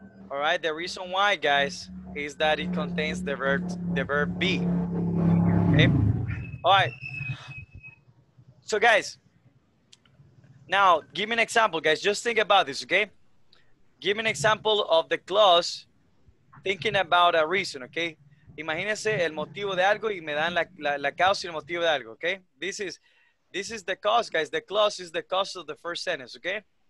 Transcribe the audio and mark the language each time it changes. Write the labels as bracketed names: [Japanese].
[English] All right, the reason why, guys, is that it contains the verb be, okay? All right, so guys, now give me an example, guys. Just think about this, okay? Give me an example of the clause thinking about a reason, okay? [Spanish] Imagínense el motivo de algo y me dan la causa y el motivo de algo, okay? [English] This is the cause, guys. The clause is the cause of the first sentence, okay?